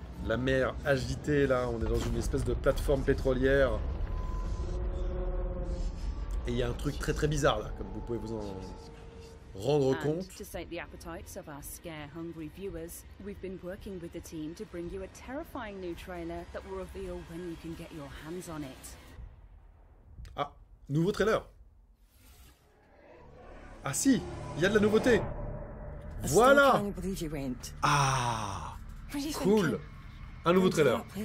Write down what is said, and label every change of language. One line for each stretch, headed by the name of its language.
French: La mer agitée là, on est dans une espèce de plateforme pétrolière. Et il y a un truc très très bizarre là, comme vous pouvez vous en. Rendre compte.
English: And to sate the appetites of our scare-hungry viewers, we've been working with the team to bring you a terrifying new trailer that will reveal when you can get your hands on it.
French: Nouveau trailer. Ah si, il y a de la nouveauté. Voilà. Ah, cool. Un nouveau trailer.